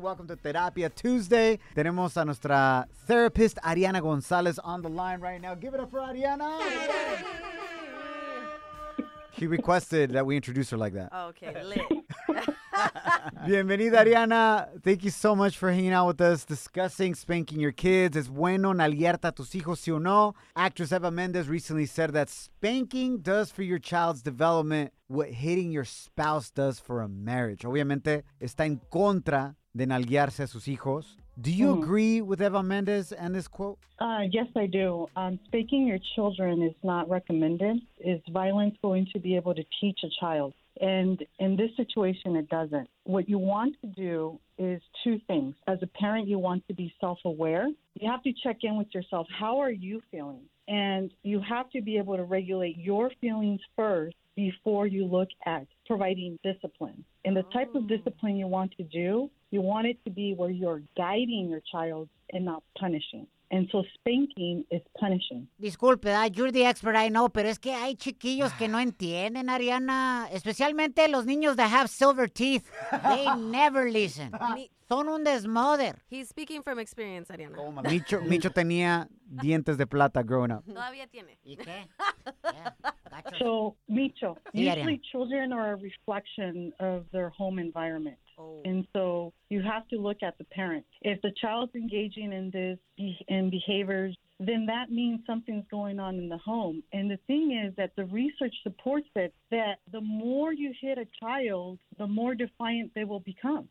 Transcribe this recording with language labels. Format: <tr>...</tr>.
<en>Welcome to Terapia Tuesday.</en> <es>Tenemos a nuestra</es> <en>therapist, Ariana Gonzalez, on the line right now. Give it up for Ariana. She requested that we introduce her like that. Okay, lit.</en> <es>Bienvenida, Ariana.</es> <en>Thank you so much for hanging out with us, discussing spanking your kids.</en> <es>¿Es bueno nalguearte a tus hijos, sí o no?</es> <en>Actress Eva Mendes recently said that spanking does for your child's development what hitting your spouse does for a marriage.</en> <es>Obviamente, está en contra de nalguearse a sus hijos.</es> <en>Do you agree with Eva Mendes and this quote? Yes, I do. Spanking your children is not recommended. Is violence going to be able to teach a child? And in this situation, it doesn't. What you want to do is two things. As a parent, you want to be self-aware. You have to check in with yourself. How are you feeling? And you have to be able to regulate your feelings first before you look at providing discipline. And the type of discipline you want to do, you want it to be where you're guiding your child and not punishing. And so spanking is punishing.</en> <es>Disculpe,</es> <en>you're the expert, I know,</en> <es>pero es que hay chiquillos que no entienden, Ariana. Especialmente los niños</es> <en>that have silver teeth. They never listen.</en> <es>Son un desmoder.</es> <en>He's speaking from experience, Ariana.</en> <es>Oh, Micho tenía dientes de plata</es> <en>growing up.</en> <es>Todavía tiene. ¿Y qué?</es> <en>So, Micho,</en> <es>sí,</es> <en>usually Ariana. Children are a reflection of their home environment. And so you have to look at the parent. If the child's engaging in this in behaviors, then that means something's going on in the home. And the thing is that the research supports it, that the more you hit a child, the more defiant they will become.</en>